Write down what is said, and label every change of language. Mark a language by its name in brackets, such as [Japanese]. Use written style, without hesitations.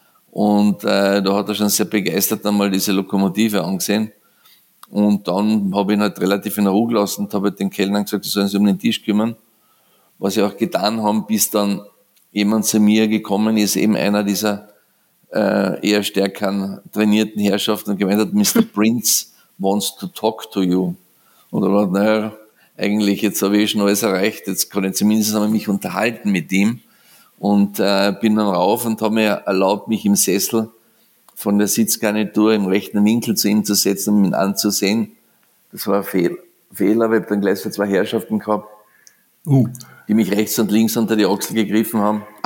[German] Und da hat er schon sehr begeistert einmal diese Lokomotive angesehen. Und dann habe ich ihn halt relativ in Ruhe gelassen und habe halt den Kellnern gesagt, sie sollen sich um den Tisch kümmern. Was sie auch getan haben, bis dann jemand zu mir gekommen ist, eben einer dieser eher stärker trainierten Herrschaften, und gemeint hat, Mr. [English] Prince wants to talk to you. [German] Und er hat, naja, eigentlich, jetzt habe ich schon alles erreicht, jetzt kann ich zumindest einmal mich unterhalten mit ihm. Und bin dann rauf und habe mir erlaubt, mich im Sessel von der Sitzgarnitur im rechten Winkel zu ihm zu setzen, um ihn anzusehen. Das war ein Fehler, weil ich dann gleich so zwei Herrschaften gehabt, die mich rechts und links unter die Achsel gegriffen haben.